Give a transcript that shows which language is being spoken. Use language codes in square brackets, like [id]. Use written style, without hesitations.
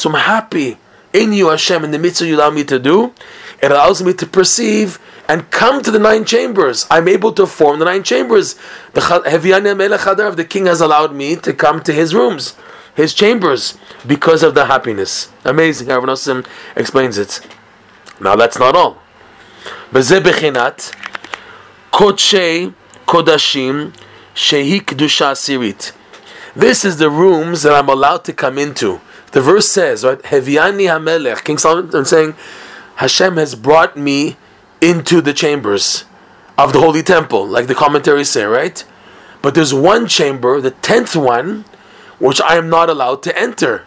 [en] So I'm happy in you, Hashem, in the mitzvah you allow me to do. It allows me to perceive and come to the nine chambers. I'm able to form the nine chambers. The king has allowed me to come to his rooms, his chambers, because of the happiness. Amazing. Aaron Osim explains it. Now that's not all. [he] וזה בחינת קודשי קודשים שהיא קדושה עשירית. [en] This is the rooms that I'm allowed to come into. The verse says, right, [he] הביאני המלך, [en] King Solomon saying, Hashem has brought me into the chambers of the Holy Temple, like the commentaries say, right? But there's one chamber, the tenth one, which I am not allowed to enter.